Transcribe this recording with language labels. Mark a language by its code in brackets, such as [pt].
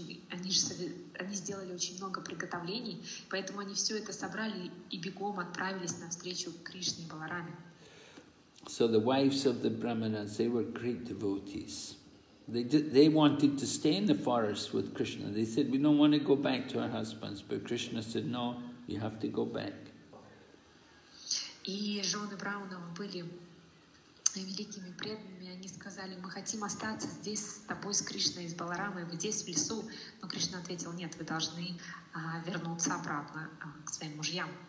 [ru] Они сделали очень много приготовлений, поэтому они все это собрали и бегом отправились навстречу Кришне и Баларами. [en] So the wives of the brahmanas, they were great devotees. They wanted to stay in the forest with Krishna. They said, we don't want to go back to our husbands. But Krishna said, no, you have to go back. [ru] И жены Браунов были великими преданными, они сказали: «Мы хотим остаться здесь с тобой, с Кришной, с Баларамой, здесь, в лесу». Но Кришна ответил: «Нет, вы должны вернуться обратно к своим мужьям».